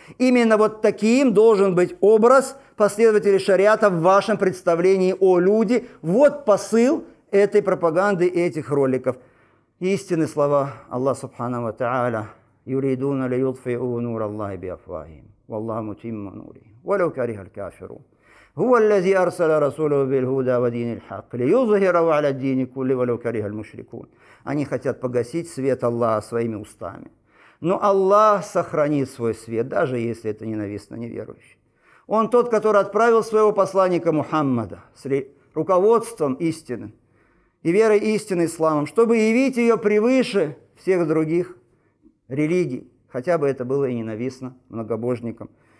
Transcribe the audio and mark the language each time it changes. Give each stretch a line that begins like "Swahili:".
Russian: Именно вот таким должен быть образ последователей шариата в вашем представлении о люди. Вот посыл этой пропаганды и этих роликов. Истинны слова Аллаха Субхана ва Тааля.
Arabic: «Юридуна ли юдфи'у нур Аллахи би афвахим, валлаху мутимму нури, валяу карихаль кафиру». هو الذي أرسل رسوله بالهدى ودين الحق ليظهره على الدين كله ولو كره المشركون.
Russian: Они хотят погасить свет Аллаха своими устами. Но Аллах сохранит свой свет, даже если это ненавистно неверующим. Он тот, который отправил своего посланника Мухаммада с руководством истины и верой истины исламом, чтобы явить ее превыше всех других религий, хотя бы это было и ненавистно многобожникам.